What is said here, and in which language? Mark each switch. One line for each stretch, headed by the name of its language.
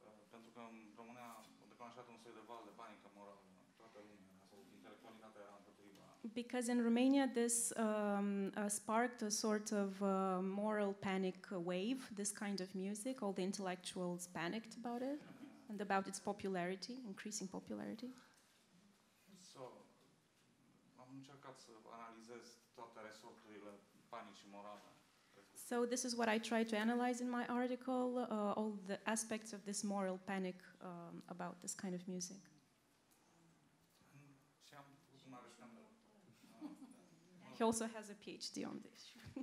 Romanian: Pentru că în România a declanșat un soi de val de panică morală în toată lumea, sau intelectualitatea împotriva.
English: Because in Romania this sparked a sort of moral panic wave, this kind of music, all the intellectuals panicked about it and about its popularity, increasing popularity.
Romanian: So, am încercat să analizez toate resorturile panicii morale.
English: So this is what I tried to analyze in my article, all the aspects of this moral panic about this kind of music. He also has a PhD on this.